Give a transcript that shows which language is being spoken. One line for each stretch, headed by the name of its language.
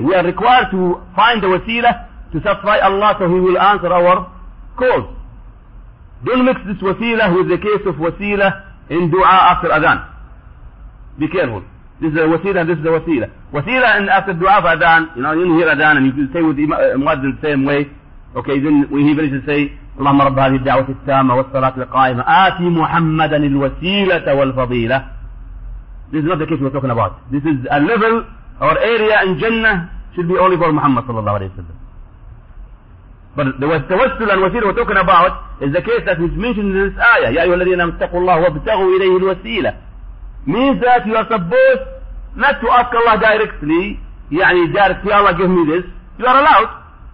English: We are required to find the wasila to satisfy Allah so He will answer our calls. Don't mix this wasila with the case of wasila in dua after adhan. Be careful. This is the wasila and this is the wasila. Wasila and after dua for adhan, you know, you hear adhan and you say with muadzin the same way. Okay, then when he finishes, say,
Arabic: اللهم رب هذه الدعوة التامة والصلاة القائمة آتي محمدا الوسيلة والفضيلة.
English: This is not the case we're talking about. This is a level or area in Jannah should be only for Muhammad
Arabic: صلى الله عليه وسلم.
English: But the tawassul and wasila we're talking about is the case that is mentioned in this ayah.
Arabic: يا أيها الذين آمنوا اتقوا الله وابتغوا إليه الوسيلة.
English: Means that you are supposed not to ask Allah directly, يعني directly, Allah give me this. You are allowed.